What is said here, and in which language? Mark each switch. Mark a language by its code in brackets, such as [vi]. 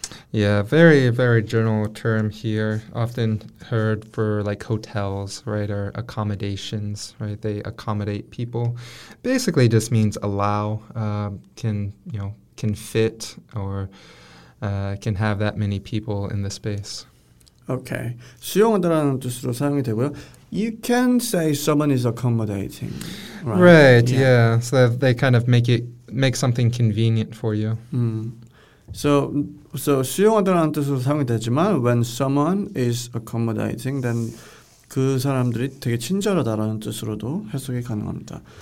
[en] Yeah, very, very general term here. Often heard for like hotels, right, or accommodations, right? They accommodate people. Basically just means allow, can fit or can have that many people in the space. Okay. [ko] 수용한다라는 뜻으로 사용이 되고요. [en] You can say someone is accommodating, right? Right, yeah. So they kind of make something convenient for you. [ko] Mm. So 수용하다라는 뜻으로 사용이 되지만 [en] when someone is accommodating, then [ko] 그 사람들이 되게 친절하다라는 뜻으로도 해석이 가능합니다.